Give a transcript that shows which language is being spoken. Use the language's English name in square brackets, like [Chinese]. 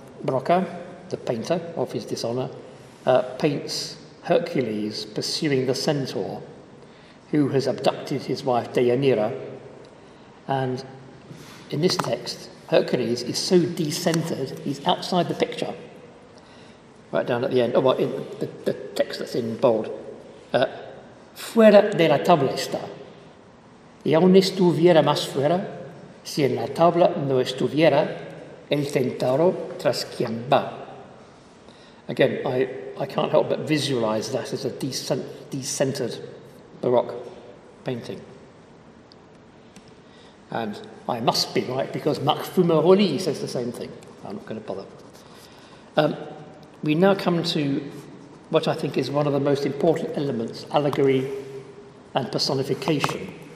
[English] Broca, the painter of his dishonor, paints Hercules pursuing the centaur who has abducted his wife Deianira. And in this text, Hercules is so decentered, he's outside the picture. Right down at the end, in the text that's in bold. [Spanish] Fuera de la tabla está, y aún estuviera más fuera, si en la tabla no estuviera el centauro tras quien va. [English] Again, I can't help but visualize that as a decentered Baroque painting. And I must be right, because Marc Fumaroli says the same thing. I'm not going to bother. We now come to what I think is one of the most important elements, allegory and personification.